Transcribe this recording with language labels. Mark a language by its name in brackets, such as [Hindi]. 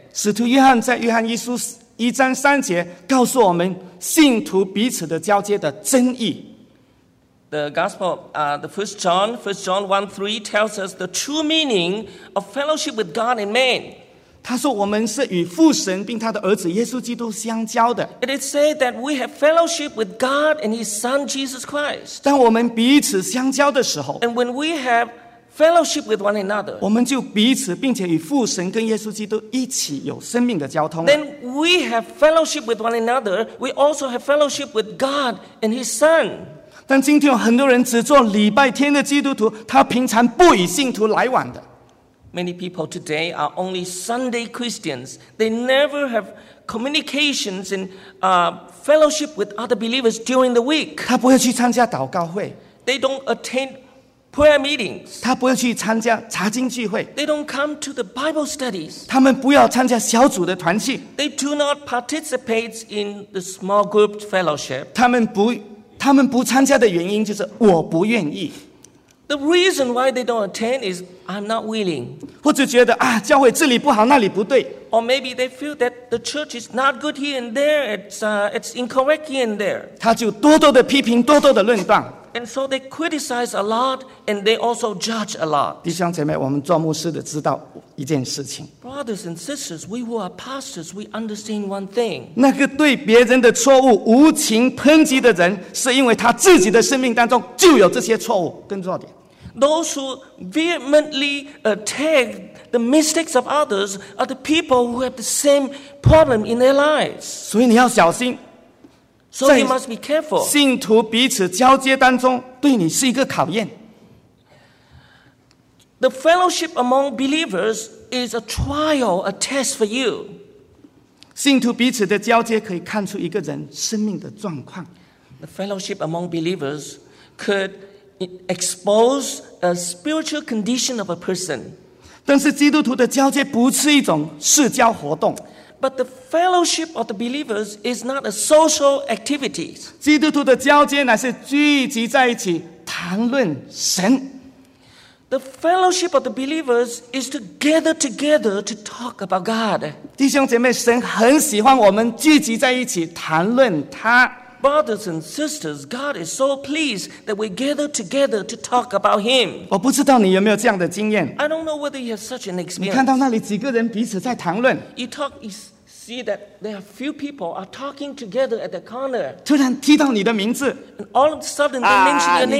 [Chinese] 使徒约翰在约翰一书一章三节告诉我们信徒彼此的交接的真意。 [English] The gospel, the First John 1:3 tells us the true meaning of fellowship with God and man. [Chinese] 他说我们是与父神并他的儿子耶稣基督相交的。 [English] It is said that we have fellowship with God and His Son Jesus Christ. [Chinese] 当我们彼此相交的时候 [English] ，and when we have fellowship with one another, [Chinese] 我们就彼此并且与父神跟耶稣基督一起有生命的交通。 [English] Then we have fellowship with one another. We also have fellowship with God and His Son. [Chinese] 但今天有很多人只做礼拜天的基督徒，他平常不与信徒来往的。 [English] Many people today are only Sunday Christians. They never have communications and fellowship with other believers during the week. [Chinese] 他不会去参加祷告会。 [English] They don't attend prayer meetings. [Chinese] 他不会去参加查经聚会。 [English] They don't come to the Bible studies. [Chinese] 他们不要参加小组的团契。 [English] They do not participate in the small group fellowship. [Chinese] 他们不参加的原因就是我不愿意。 [English] The reason why they don't attend is I'm not willing. [Chinese] 或者觉得啊，教会这里不好，那里不对。 [English] Or maybe they feel that the church is not good here and there. It's incorrect here and there. [Chinese] 他就多多的批评，多多的论断。 [English] And so they criticize a lot, and they also judge a lot. [Chinese] 弟兄姐妹，我们做牧师的知道一件事情。 [English] Brothers and sisters, we who are pastors, we understand one thing. [Chinese] 那个对别人的错误无情抨击的人，是因为他自己的生命当中就有这些错误跟弱点。 [English] Those who vehemently attack the mistakes of others are the people who have the same problem in their lives. [Chinese] 所以你要小心。 [English] So you must be careful. [Chinese] 信徒彼此交接当中，对你是一个考验。 [English] The fellowship among believers is a trial, a test for you. [Chinese] 信徒彼此的交接可以看出一个人生命的状况。 [English] The fellowship among believers could expose a spiritual condition of a person. [Chinese] 但是基督徒的交接不是一种社交活动。 [English] But the fellowship of the believers is not a social activity. [Chinese] 基督徒的交接乃是聚集在一起谈论神。 [English] The fellowship of the believers is to gather together to talk about God. [Chinese] 弟兄姐妹，神很喜欢我们聚集在一起谈论他。 [English] Brothers and sisters, God is so pleased that we gather together to talk about Him. [Chinese] 我不知道你有没有这样的经验。 [English] I don't know whether you have such an experience. [Chinese] 你看到那里几个人彼此在谈论。 [English] You see that there are few people are talking together at the corner. [Chinese] 突然提到你的名字。 [English] And all of a sudden they mention your name.